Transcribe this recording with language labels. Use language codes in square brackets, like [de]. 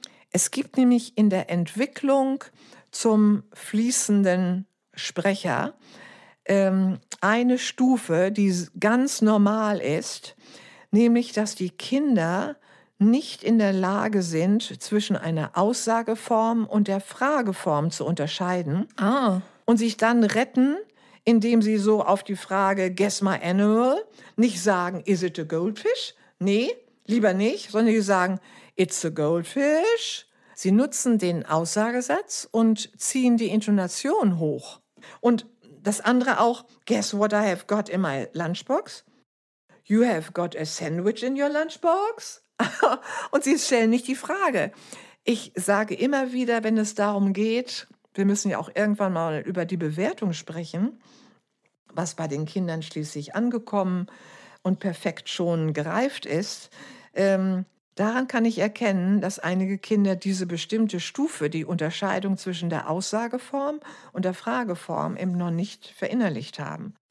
[de] Es gibt nämlich in der Entwicklung zum fließenden Sprecher eine Stufe, die ganz normal ist, nämlich, dass die Kinder nicht in der Lage sind, zwischen einer Aussageform und der Frageform zu unterscheiden und sich dann retten, indem sie so auf die Frage [en] Guess my animal [de] nicht sagen, [en] is it a goldfish? [de] Nee, lieber nicht, sondern sie sagen, [en] it's a goldfish. [de] Sie nutzen den Aussagesatz und ziehen die Intonation hoch. Und das andere auch, [en] guess what I have got in my lunchbox? You have got a sandwich in your lunchbox? [de] Und sie stellen nicht die Frage. Ich sage immer wieder, wenn es darum geht, wir müssen ja auch irgendwann mal über die Bewertung sprechen, was bei den Kindern schließlich angekommen und perfekt schon gereift ist, daran kann ich erkennen, dass einige Kinder diese bestimmte Stufe, die Unterscheidung zwischen der Aussageform und der Frageform, eben noch nicht verinnerlicht haben.